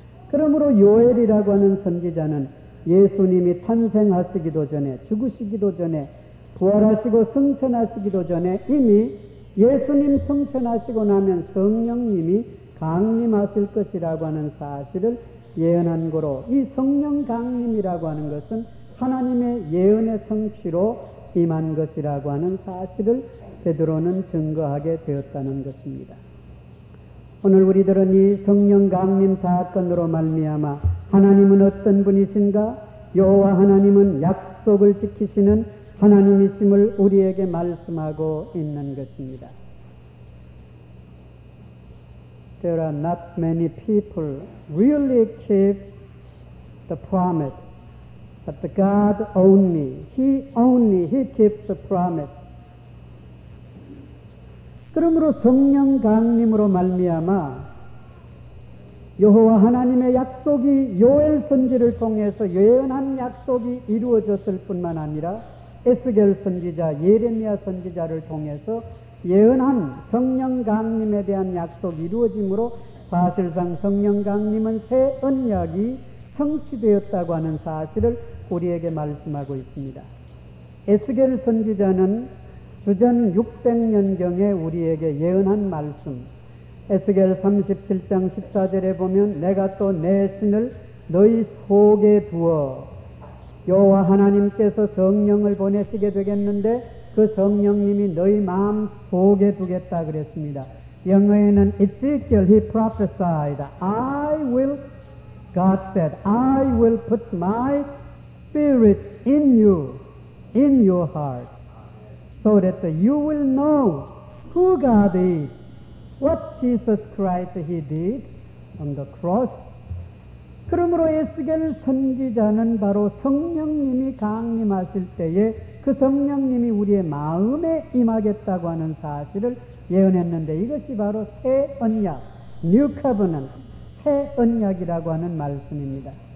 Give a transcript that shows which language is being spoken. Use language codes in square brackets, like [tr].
[ko] 그러므로 요엘이라고 하는 선지자는 예수님이 탄생하시기도 전에, 죽으시기도 전에, 부활하시고 승천하시기도 전에 이미 예수님 승천하시고 나면 성령님이 강림하실 것이라고 하는 사실을 예언한 거로, 이 성령 강림이라고 하는 것은 하나님의 예언의 성취로 임한 것이라고 하는 사실을 베드로는 증거하게 되었다는 것입니다. 오늘 우리들은 이 성령 강림 사건으로 말미암아 하나님은 어떤 분이신가? 여호와 하나님은 약속을 지키시는 하나님이심을 우리에게 말씀하고 있는 것입니다. [en] There are not many people really keep the promise, but the God only, He keeps the promise. [ko] 그러므로 성령 강림으로 말미암아 여호와 하나님의 약속이 요엘 선지를 통해서 예언한 약속이 이루어졌을 뿐만 아니라 에스겔 선지자, 예레미야 선지자를 통해서 예언한 성령 강림에 대한 약속이 이루어짐으로 사실상 성령 강림은 새 언약이 성취되었다고 하는 사실을 우리에게 말씀하고 있습니다. 에스겔 선지자는 주전 600년경에 우리에게 예언한 말씀, 에스겔 37장 14절에 보면 내가 또 내 신을 너희 속에 부어 여호와 하나님께서 성령을 보내시게 되겠는데 그 성령님이 너희 마음 속에 두겠다 그랬습니다. 영어에는 [en] Ezekiel he prophesied I will God said I will put my spirit in your heart so that you will know who God is what Jesus Christ he did on the cross. [ko] 그러므로 에스겔 선지자는 바로 성령님이 강림하실 때에 그 성령님이 우리의 마음에 임하겠다고 하는 사실을 예언했는데 이것이 바로 새 언약, [en] New Covenant, [ko] 새 언약이라고 하는 말씀입니다.